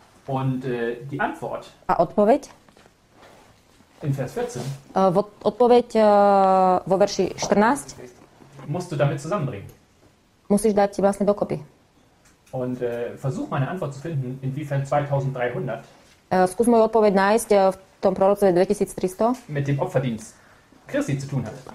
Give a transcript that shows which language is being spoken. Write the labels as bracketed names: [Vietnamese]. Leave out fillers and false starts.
[German] Und die Antwort. [Slovak] A odpoveď? [German] In Vers 14. [Slovak] Odpoveď vo verši 14. [German] Musst du damit zusammenbringen. [Slovak] Musíš dať vlastne dokopy. [German] Und versuch meine Antwort zu finden inwiefern 2300. [Slovak] Skús moju odpoveď nájsť v tom proroctve 2300. [German] Mit dem Opferdienst Christi zu tun hat.